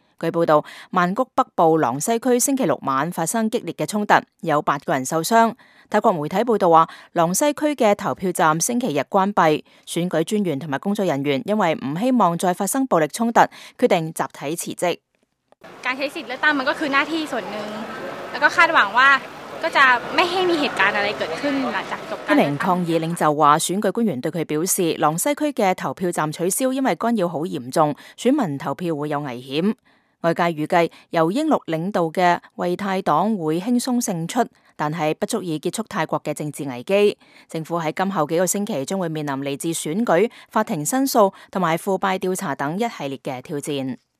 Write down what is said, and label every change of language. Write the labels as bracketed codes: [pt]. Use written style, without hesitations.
[zh] 据报道，曼谷北部廊西区星期六晚发生激烈的冲突，有8个人受伤。泰国媒体报道说，廊西区的投票站星期日关闭，选举专员和工作人员因为不希望再发生暴力冲突，决定集体辞职。 [th] การใช้สิทธิ์เลือกตั้งมันก็คือหน้าที่ส่วนหนึ่งแล้วก็คาดหวังว่าก็จะไม่ให้มีเหตุการณ์อะไรเกิดขึ้นหลังจากจบการ [zh] 一名抗议领袖说，选举官员对他表示，廊西区的投票站取消因为干扰很严重，选民投票会有危险。外界预计由英禄领导的卫泰党会轻松胜出，但是不足以结束泰国的政治危机。政府在今后几个星期将会面临来自选举、法庭申诉和腐败调查等一系列的挑战。